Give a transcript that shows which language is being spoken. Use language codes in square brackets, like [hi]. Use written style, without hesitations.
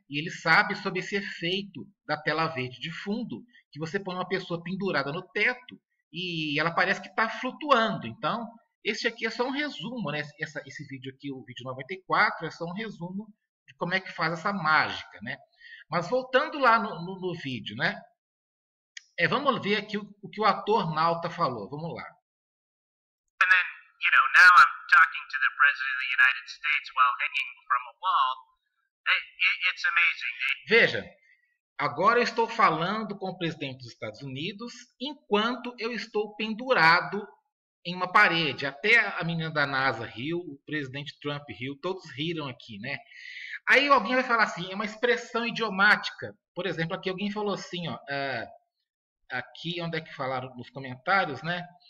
[pt] E ele sabe sobre esse efeito da tela verde de fundo, que você põe uma pessoa pendurada no teto e ela parece que está flutuando. Então, esse aqui é só um resumo, né? Esse vídeo aqui, o vídeo 94, é só um resumo de como é que faz essa mágica, né? Mas voltando lá no vídeo, né? Vamos ver aqui o que o ator Nauta falou. Vamos lá. [en] You know, now I'm talking to the President of the United States while hanging from a wall. It's amazing. [pt] Veja, Agora estou falando com o presidente dos Estados Unidos enquanto eu estou pendurado em uma parede. Até a menina da NASA riu, o presidente Trump riu, todos riram aqui, né? Aí alguém vai falar assim, é uma expressão idiomática. Por exemplo, aqui alguém falou assim, ó, aqui onde é que falaram nos comentários, né?